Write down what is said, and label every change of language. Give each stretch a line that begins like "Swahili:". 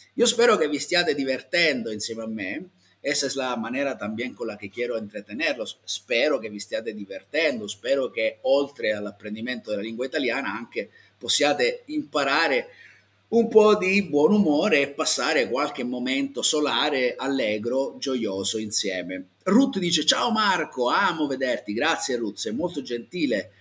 Italian: Io spero che vi stiate divertendo insieme a me.
Spanish: Esa es la manera también con la que quiero entretenerlos.
Italian: Spero che vi stiate divertendo. Spero che oltre all'apprendimento della lingua italiana anche possiate imparare un po' di buon umore e passare qualche momento solare, allegro, gioioso insieme. Ruth dice, ciao Marco, amo vederti. Grazie Ruth, sei molto gentile.